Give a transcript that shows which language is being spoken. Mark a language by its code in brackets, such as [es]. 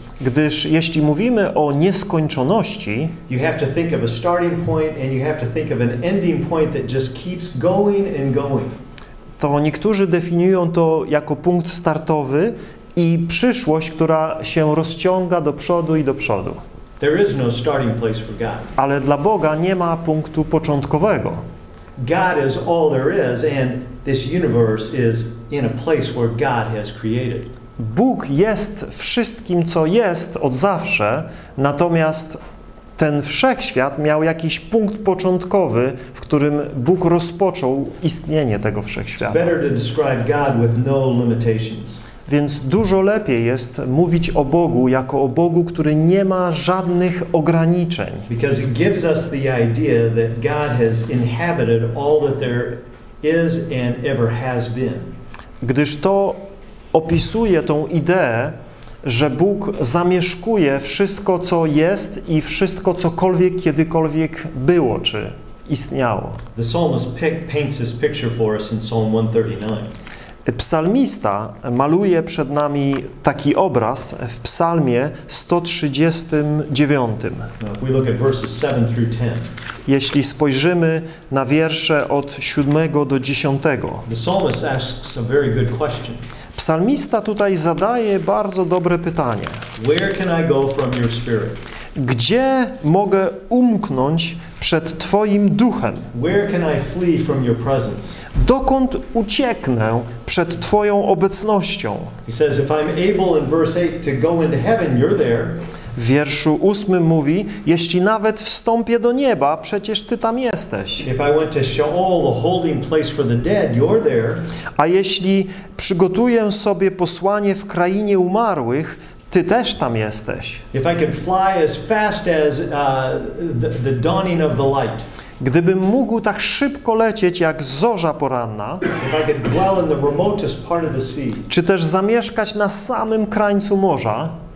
[pl] gdyż jeśli mówimy o nieskończoności, [en] you have to think of a starting point and you have to think of an ending point that just keeps going and going. [pl] To niektórzy definiują to jako punkt startowy i przyszłość, która się rozciąga do przodu i do przodu. [en] There is no starting place for God. [pl] Ale dla Boga nie ma punktu początkowego. [en] God is all there is, and this universe is in a place where God has created. [pl] Bóg jest wszystkim, co jest od zawsze, natomiast ten wszechświat miał jakiś punkt początkowy, w którym Bóg rozpoczął istnienie tego wszechświata. [en] Better to describe God with no limitations. [pl] Więc dużo lepiej jest mówić o Bogu jako o Bogu, który nie ma żadnych ograniczeń. [en] Because it gives us the idea that God has inhabited all that there is and ever has been. [pl] Gdyż to opisuje tą ideę, że Bóg zamieszkuje wszystko, co jest i wszystko, cokolwiek kiedykolwiek było czy istniało. [en] The psalmist paints this picture for us in Psalm 139. [pl] Psalmista maluje przed nami taki obraz w Psalmie 139. [en] We look at verses 7 through 10. [pl] Jeśli spojrzymy na wiersze od 7 do 10. [en] The psalmist asks a very good question. [pl] Psalmista tutaj zadaje bardzo dobre pytanie. [en] Where can I go from your spirit? [pl] Gdzie mogę umknąć przed Twoim duchem? [en] Where can I flee from your presence? [pl] Dokąd ucieknę przed Twoją obecnością? [en] He says, if I'm able in verse 8 to go into heaven, you're there. [pl] W wierszu 8 mówi, jeśli nawet wstąpię do nieba, przecież Ty tam jesteś. [en] If I went to Sheol, the holding place for the dead, you're there. [pl] A jeśli przygotuję sobie posłanie w krainie umarłych, Ty też tam jesteś. [en] If I could fly as fast as the dawning of the light. [pl] Gdybym mógł tak szybko lecieć jak zorza poranna, [en] if I could dwell in the remotest part of the sea. [pl] Czy też zamieszkać na samym krańcu morza,